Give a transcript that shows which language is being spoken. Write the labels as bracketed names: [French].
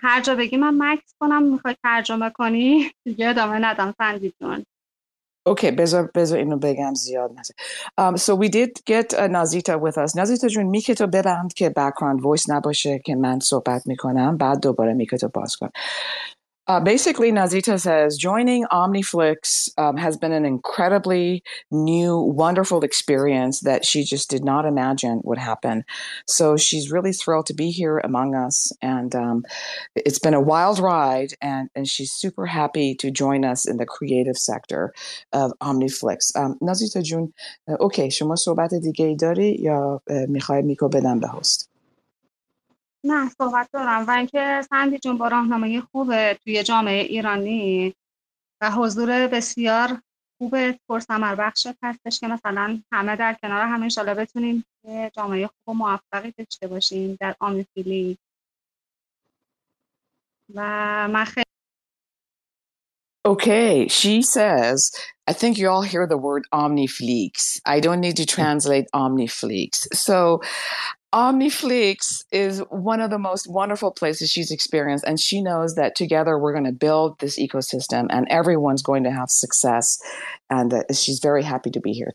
[Persian] هر جا بگی من مکس کنم میخوای ترجمه کنی دیگه ادامه ندم سندی جون. Okay, بذار اینو بگم زیاد نزد. [English] So we did get Nazita with us. [Persian] Nazita جون میکه تو ببند که [English] background voice [Persian] نباشه که من صحبت میکنم. بعد دوباره میکه تو باز کن. [English] Basically, Nazita says, joining OmniFlix has been an incredibly new, wonderful experience that she just did not imagine would happen. So she's really thrilled to be here among us. And it's been a wild ride, and she's super happy to join us in the creative sector of OmniFlix. [Persian] Nazita Jun, okay, شما صحبت دیگه ای داری یا میخوای میکو بدم به هست؟ نه صحبت دارم و اینکه سندی جون با راهنمایی خوب توی جامعه ایرانی و حضور بسیار خوب پرثمر بخش هستش که مثلا همه در کنار هم ان شاءالله بتونیم یه جامعه خوب و موفقی داشته باشیم در آمیفیلی و من خیلی [English] Okay, she says, I think you all hear the word OmniFlix. I don't need to translate OmniFlix. So OmniFlix is one of the most wonderful places she's experienced, and she knows that together we're going to build this ecosystem and everyone's going to have success, and she's very happy to be here.